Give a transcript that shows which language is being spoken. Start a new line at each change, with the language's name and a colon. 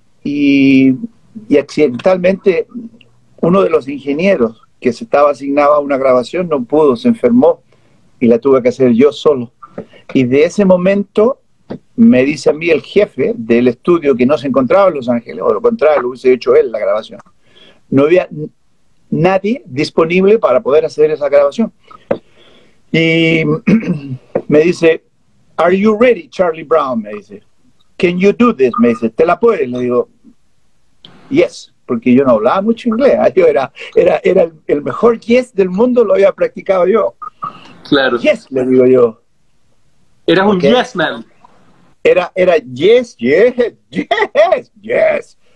Spanish: Y accidentalmente, uno de los ingenieros que se estaba asignado a una grabación no pudo, se enfermó y la tuve que hacer yo solo. Y de ese momento... Me dice a mí el jefe del estudio, que no se encontraba en Los Ángeles, o lo contrario, lo hubiese hecho él la grabación. No había nadie disponible para poder hacer esa grabación. Y me dice,
English: are you ready, Charlie Brown?
Spanish: Me dice,
English: can you do this?
Spanish: Me dice, ¿te la puedes? Le digo, yes, porque yo no hablaba mucho inglés. Yo era el mejor yes del mundo, lo había practicado yo. Claro. Yes, le digo yo. Era un okay.
English: Yes, man.
Spanish: Era yes, yes, yes, yes.